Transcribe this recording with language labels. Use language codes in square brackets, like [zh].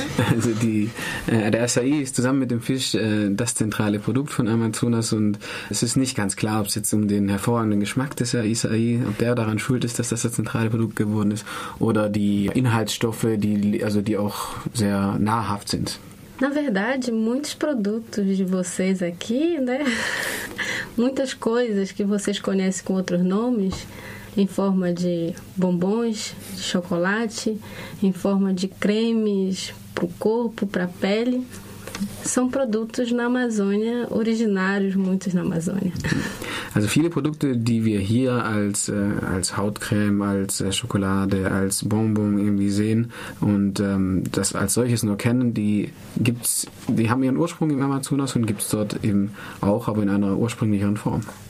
[de] Also der Açaí ist zusammen mit dem Fisch das zentrale Produkt von Amazonas und es ist nicht ganz klar, ob es jetzt um den hervorragenden Geschmack des Açaí, ob der daran schuld ist, dass das das zentrale Produkt geworden ist oder die Inhaltsstoffe, die auch sehr nahrhaft sind. [pt] Na verdade, muitos produtos de vocês aqui, né? Muitas coisas que vocês conhecem com outros nomes, em forma de bombons, de chocolate, em forma de cremes para o corpo, para a pele. São produtos na Amazônia, originários muitos na Amazônia. [de] Also viele Produkte, die wir hier als Hautcreme, als Schokolade, als Bonbon irgendwie sehen und das als solches nur kennen, die haben ihren Ursprung im Amazonas und gibt es dort eben auch, aber in einer ursprünglicheren Form.